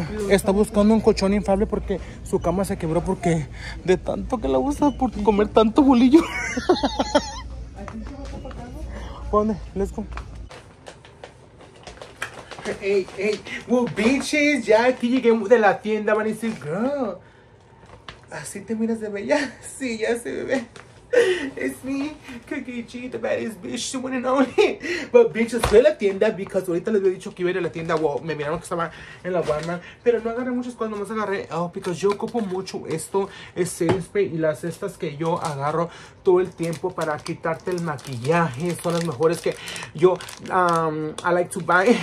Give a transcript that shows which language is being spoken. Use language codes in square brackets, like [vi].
[es] Está buscando un colchón inflable porque su cama se quebró porque de tanto que la usa por comer tanto bolillo. [en] ¿Dónde? Let's go. Hey, well, bitches, [es] ya aquí llegué de la tienda, van a decir, girl, así te miras de bella. Sí, ya se ve. [en] It's me, Cookie G, the baddest bitch, the one and only. But bitches, [es] fui a la tienda because ahorita les había dicho que iba a ir a la tienda. Wow, me miraron que estaba en la Walmart. Pero no agarré muchas cosas, nomás agarré. Oh, because yo ocupo mucho esto, ese spray y las estas que yo agarro todo el tiempo para quitarte el maquillaje. Son las mejores que yo, [en] I like to buy.